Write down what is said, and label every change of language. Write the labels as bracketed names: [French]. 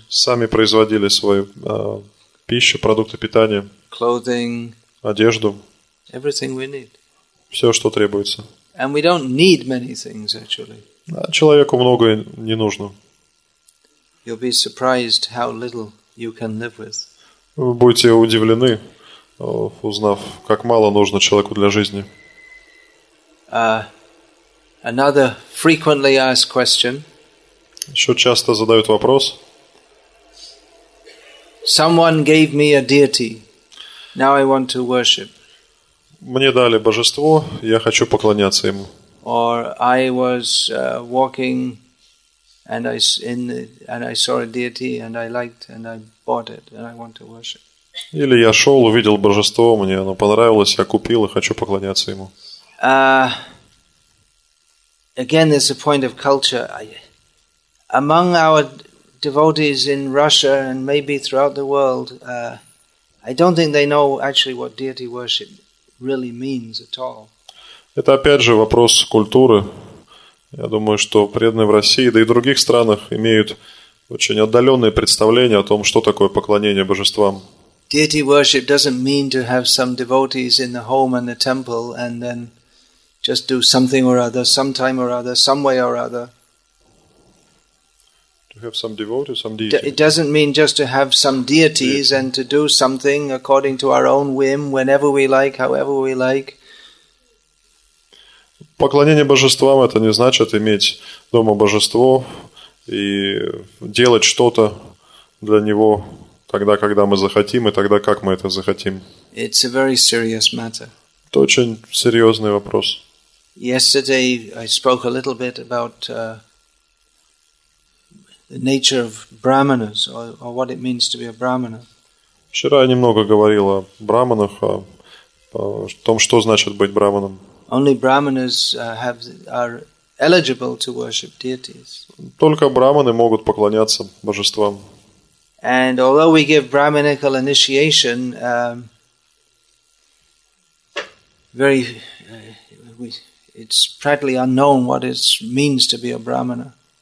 [Russian] Сами производили свою пищу, продукты питания. [English] Clothing. [Russian] Одежду. [English] Everything we need. [Russian] Все, что требуется. [English] And we don't need many things, actually. [Russian] А человеку многое не нужно. [English] You'll be surprised how little you can live with. [Russian] Вы будете удивлены, узнав, как мало нужно человеку для жизни. [English] Another frequently asked question. [Russian] Еще часто задают вопрос. [English] Someone gave me a deity. Now I want to worship. [Russian] Мне дали божество, я хочу поклоняться ему. [English] Or I was walking and I saw a deity and I liked and I bought it and I want to worship. [Russian] Или я шел, увидел божество, мне оно понравилось, я купил и хочу поклоняться ему. [English] Again, there's a point of culture. Among our devotees in Russia and maybe throughout the world, I don't think they know actually what deity worship really means at all. [Russian] Это опять же вопрос культуры. Я думаю, что преданные в России, да и в других странах, имеют очень отдаленное представление о том, что такое поклонение божествам. [English] Deity worship doesn't mean to have some devotees in the home and the temple and then just do something or other, sometime or other, some way or other. To have some devotees, some deities. It doesn't mean just to have some deities and to do something according to our own whim, whenever we like, however we like. [Russian] Поклонение божествам – это не значит иметь дома божество и делать что-то для него тогда, когда мы захотим, и тогда, как мы это захотим. [English] It's a very serious matter. [Russian] Это очень серьезный вопрос. [English] Yesterday I spoke a little bit about the nature of brahmanas or what it means to be a brahmana. [Russian] Вчера я немного говорил о брахманах, о том, что значит быть брахманом. [English] Only brahmanas are eligible to worship deities. [Russian] Только брахманы могут поклоняться божествам. [English] And although we give brahminical initiation, it's practically unknown what it means to be a brahmana.